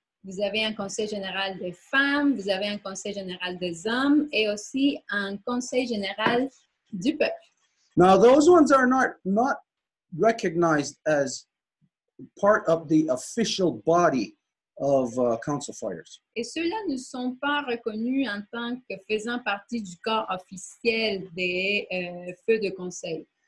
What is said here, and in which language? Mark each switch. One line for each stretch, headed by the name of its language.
French: Vous avez un conseil général des femmes, vous avez un conseil général des hommes, et aussi un conseil général du peuple.
English: Now, those ones are not recognized as part of the official body of council fires.
French: Et ceux-là ne sont pas reconnus en tant que faisant partie du corps officiel des feux de conseil.